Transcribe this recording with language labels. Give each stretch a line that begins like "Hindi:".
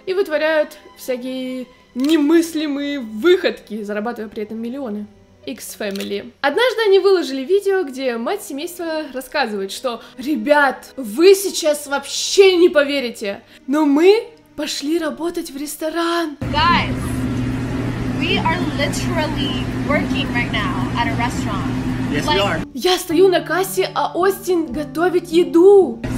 Russian: И вытворяют всякие немыслимые выходки, зарабатывая при этом миллионы. X-Family. Однажды они выложили видео, где мать семейства рассказывает, что «Ребят, вы сейчас вообще не поверите, но мы пошли работать в ресторан!»
English: Guys. We are literally working right now at a restaurant. Yes, like, we are.
Russian: Я стою на кассе, а Остин готовит еду.